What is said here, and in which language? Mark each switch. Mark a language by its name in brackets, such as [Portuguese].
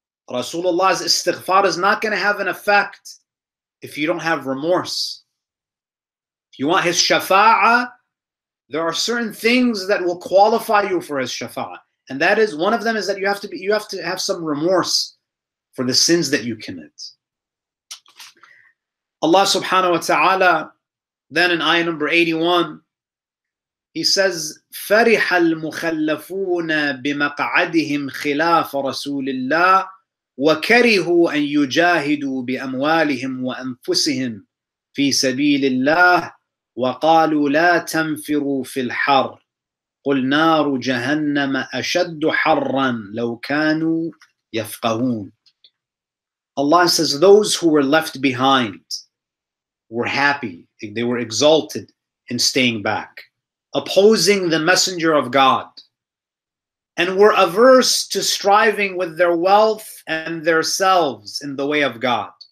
[English] Rasulullah's istighfar is not going to have an effect if you don't have remorse. If you want his shafa'ah, there are certain things that will qualify you for his shafa'ah. And that is, one of them is that you have to have some remorse for the sins that you commit. Allah subhanahu wa ta'ala, then in ayah number 81, he says, [Arabic] فَرِحَ الْمُخَلَّفُونَ بِمَقْعَدِهِمْ خِلَافَ رَسُولِ اللَّهِ وَكَرِهُوا أَن يُجَاهِدُوا بِأَمْوَالِهِمْ وَأَنفُسِهِمْ فِي سَبِيلِ اللَّهِ وَقَالُوا لَا تَنْفِرُوا فِي الْحَرِّ قُلْ نَارُ جَهَنَّمَ أَشَدُّ حَرًّا لَوْ كَانُوا يَفْقَهُونَ. [English] Allah says, those who were left behind were happy. They were exalted in staying back, opposing the Messenger of God, and were averse to striving with their wealth and their selves in the way of God.